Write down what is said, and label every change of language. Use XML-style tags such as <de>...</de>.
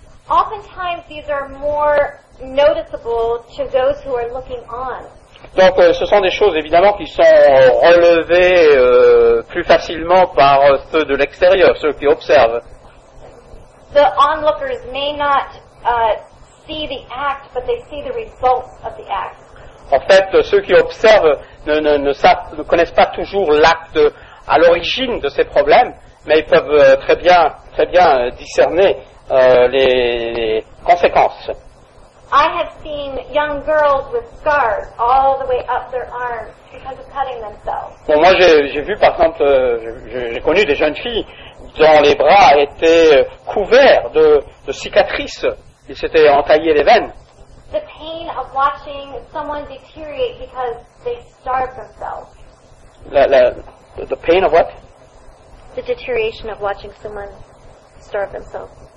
<en>Oftentimes, these are more noticeable to those who are looking on.</en> <fr>Donc, ce sont des choses, évidemment, qui sont relevées plus facilement par ceux de l'extérieur, ceux qui observent.</fr> <en>The onlookers may not see the act, but they see the results of the act.</en> <fr>En fait, ceux qui observent ne connaissent pas toujours l'acte à l'origine de ces problèmes, mais ils peuvent très bien discerner les conséquences.</fr> <en>I have seen young girls with scars all the way up their arms because of cutting themselves.</en> <fr>Bon, moi j'ai vu par exemple, j'ai connu des jeunes filles dont les bras étaient couverts de cicatrices. Ils s'étaient entaillés les veines.</fr> <en>The pain of watching someone deteriorate because they starved themselves. The pain of what? The deterioration of watching someone starve themselves.</en>